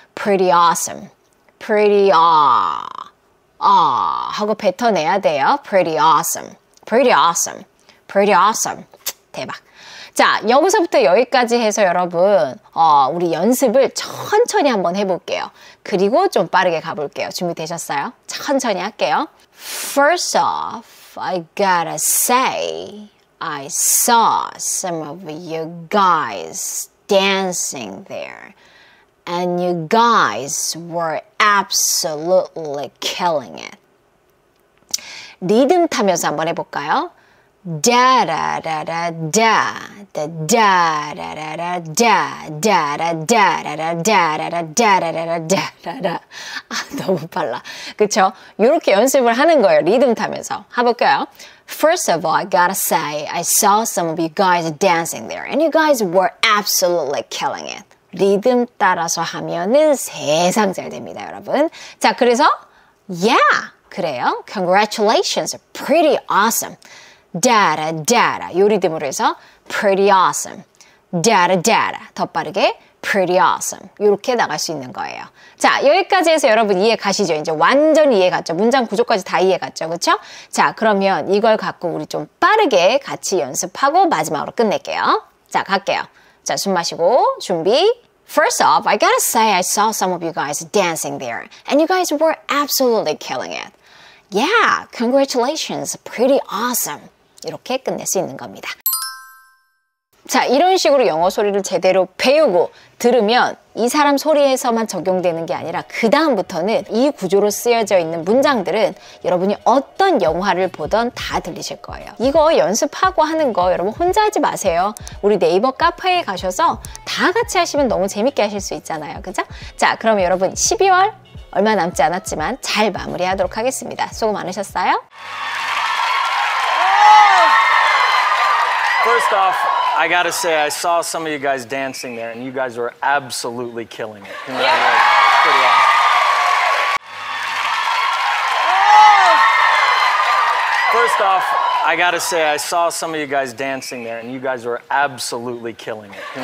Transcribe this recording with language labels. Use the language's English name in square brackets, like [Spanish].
[English] Pretty awesome. Pretty awe. [Korean] 하고 뱉어내야 돼요. [English] Pretty awesome. Pretty awesome. Pretty awesome. 대박. [Korean] 자, 여기서부터 여기까지 해서 여러분 우리 연습을 천천히 한번 해볼게요. 그리고 좀 빠르게 가볼게요. 준비되셨어요? 천천히 할게요. [English] First off, I gotta say I saw some of you guys dancing there And you guys were absolutely killing it. [Korean] 리듬 타면서 한번 해볼까요? Da da da da da da da da da da da da da da da da da da da da da da da da da da. 아 너무 빨라. 그렇죠? 이렇게 연습을 하는 거예요. 리듬 타면서 해볼까요? [English] First of all, I gotta say, I saw some of you guys dancing there, and you guys were absolutely killing it. [Korean] 리듬 따라서 하면은 세상 잘 됩니다, 여러분. 자, 그래서 [English] yeah, [Korean] 그래요. [English] Congratulations, pretty awesome. Data, data. [Korean] 요 리듬으로 해서 [English] pretty awesome. Data, data. [Korean] 더 빠르게 [English] pretty awesome. [Korean] 요렇게 나갈 수 있는 거예요. 자, 여기까지 해서 여러분 이해 가시죠? 이제 완전 이해 갔죠? 문장 구조까지 다 이해 갔죠? 그쵸? 자, 그러면 이걸 갖고 우리 좀 빠르게 같이 연습하고 마지막으로 끝낼게요. 자, 갈게요. 자, 숨 마시고 준비. [English] First off, I gotta say I saw some of you guys dancing there. And you guys were absolutely killing it. Yeah, congratulations. Pretty awesome. [Korean] 이렇게 끝낼 수 있는 겁니다. 자, 이런 식으로 영어 소리를 제대로 배우고 들으면 이 사람 소리에서만 적용되는 게 아니라 그 다음부터는 이 구조로 쓰여져 있는 문장들은 여러분이 어떤 영화를 보던 다 들리실 거예요. 이거 연습하고 하는 거 여러분 혼자 하지 마세요. 우리 네이버 카페에 가셔서 다 같이 하시면 너무 재밌게 하실 수 있잖아요. 그죠? 자, 그럼 여러분 12월 얼마 남지 않았지만 잘 마무리하도록 하겠습니다. 수고 많으셨어요. [English] First off, I gotta say, I saw some of you guys dancing there, and you guys were absolutely killing it. Yeah. Yeah. First off, I gotta say, I saw some of you guys dancing there, and you guys were absolutely killing it. Yeah.